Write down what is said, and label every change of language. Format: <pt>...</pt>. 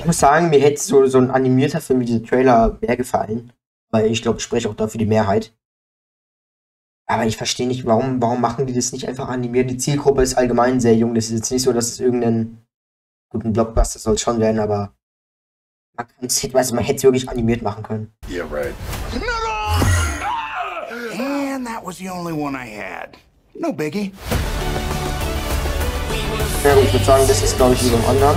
<de>Ich muss sagen, mir hätte so ein animierter Film wie dieser Trailer mehr gefallen. Weil ich glaube, ich spreche auch dafür die Mehrheit. Aber ich verstehe nicht, warum machen die das nicht einfach animiert? Die Zielgruppe ist allgemein sehr jung. Das ist jetzt nicht so, dass es irgendein. Guten Blockbuster soll schon werden, aber man hätte es wirklich animiert machen können.</de> <en>Yeah, right. And that was the only one I had. No biggie.</en> <de>Ja, gut, ich würde sagen, das ist, glaube ich, wie beim anderen.</de>